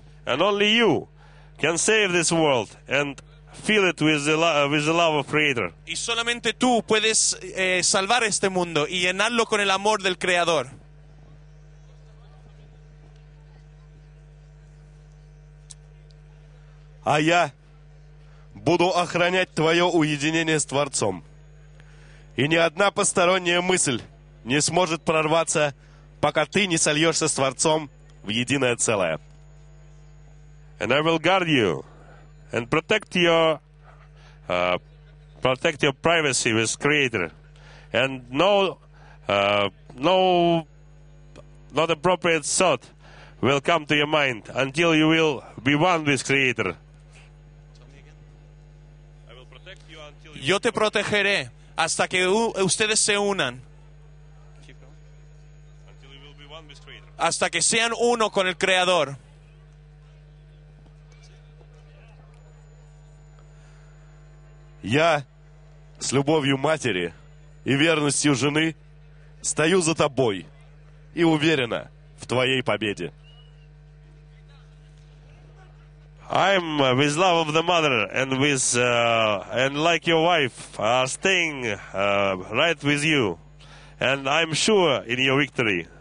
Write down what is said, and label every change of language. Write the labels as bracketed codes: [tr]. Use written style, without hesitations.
[en] And only you can save this world and fill it with the love of Creator. [es] Y solamente tú puedes salvar este mundo y llenarlo con el amor del Creador. [ru] А я буду охранять твое уединение с Творцом. И ни одна посторонняя мысль не сможет прорваться, пока ты не сольешься с Творцом в единое целое. [en] And I will guard you and protect your privacy with Creator. And not appropriate thought will come to your mind until you will be one with Creator. [es] Yo te protegeré hasta que ustedes se unan. Hasta que sean uno con el Creador. [ru] Я с любовью матери и верностью жены стою за тобой и уверена в твоей победе. [en] I'm with love of the mother and like your wife are staying right with you, and I'm sure in your victory.